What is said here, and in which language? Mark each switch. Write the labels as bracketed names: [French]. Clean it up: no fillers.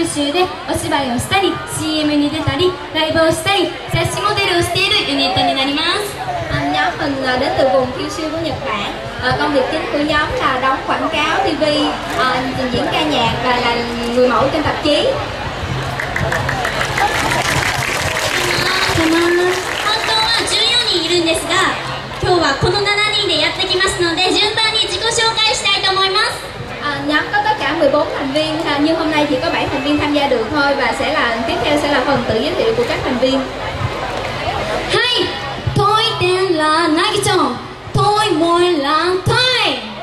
[Japanese] でお芝居をしたり CM に出たりライブをしたり雑誌モデルをしているユニットになります。 [Vietnamese] Nhóm mình đến từ vùng Kyushu của Nhật Bản. Công việc chính của nhóm là đóng quảng cáo TV, trình diễn ca nhạc và là người mẫu trên tạp chí. Cảm ơn. [Japanese] 本当は14人いるんですが、今日はこの7人でやってきますので順番に自己紹介したいと思います。 [Vietnamese] Nhóm có tất cả 14 thành viên, nhưng hôm nay chỉ có 7 thành viên tham gia được thôi, và sẽ là tiếp theo sẽ là phần tự giới thiệu của các thành viên. Hi, tôi tên là Nagi Chong, tôi mới là Thai.